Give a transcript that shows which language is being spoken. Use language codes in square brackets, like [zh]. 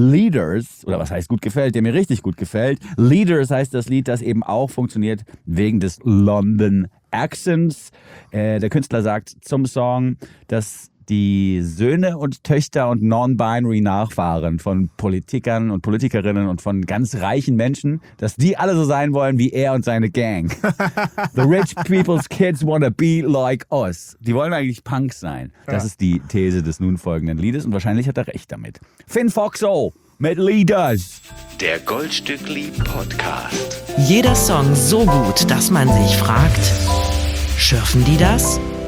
[de] Leaders, oder was heißt gut gefällt, der mir richtig gut gefällt. Leaders heißt das Lied, das eben auch funktioniert wegen des London Accents. Der Künstler sagt zum Song, dass die Söhne und Töchter und Non-Binary-Nachfahren von Politikern und Politikerinnen und von ganz reichen Menschen, dass die alle so sein wollen wie er und seine Gang. [en] The rich people's kids wanna be like us. [de] Die wollen eigentlich Punk sein. Das ist die These des nun folgenden Liedes und wahrscheinlich hat er recht damit. Finn Foxo mit Leaders. Der Goldstückli-Podcast. Jeder Song so gut, dass man sich fragt, schürfen die das?